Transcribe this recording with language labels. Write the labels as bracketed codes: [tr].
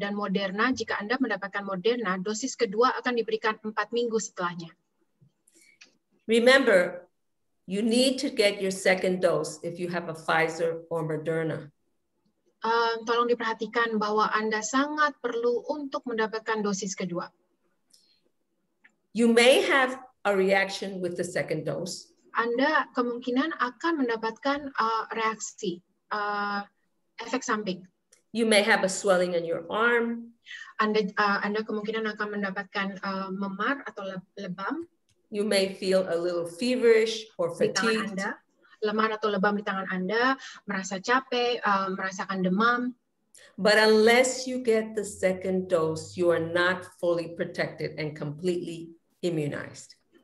[id] Dan Moderna, jika Anda mendapatkan Moderna, dosis kedua akan diberikan 4 minggu setelahnya. [en] Remember, you need to get your second dose if you have a Pfizer or Moderna. [id] Tolong diperhatikan bahwa Anda sangat perlu untuk mendapatkan dosis kedua. [en] You may have a reaction with the second dose. [id] Anda kemungkinan akan mendapatkan reaksi, efek samping. [en] You may have a swelling in your arm. [id] Anda kemungkinan akan mendapatkan memar atau lebam. [en] You may feel a little feverish or fatigued. [id] Di tangan Anda, lemar atau lebam di tangan Anda, merasa capek, merasakan demam. [en] But unless you get the second dose, you are not fully protected and completely immunized.